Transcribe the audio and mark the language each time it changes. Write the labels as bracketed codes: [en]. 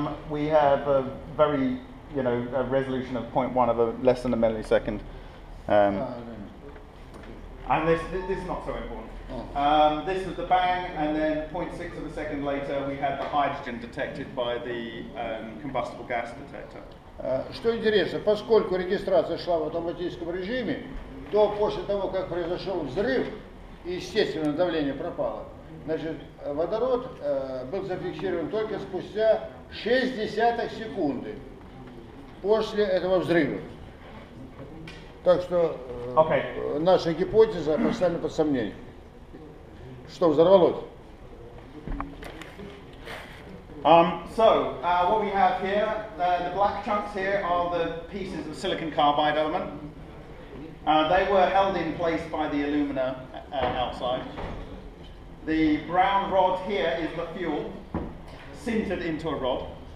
[en] We have a very, you know, a resolution of 0.1 of a less than a millisecond. And this is not so important. This was the bang, and then 0.6 of a second later, we had the hydrogen detected by the combustible gas detector. [ru] Что интересно, поскольку регистрация шла в автоматическом режиме, то после того, как произошел взрыв, естественно, давление пропало. Значит, водород был зафиксирован только спустя 0.6 секунды после этого взрыва. Так что наша гипотеза поставлена под сомнение. Что взорвалось? [en] What we have here, the black chunks here are the pieces of silicon carbide element. They were held in place by the alumina outside. The brown rod here is the fuel, sintered into a rod.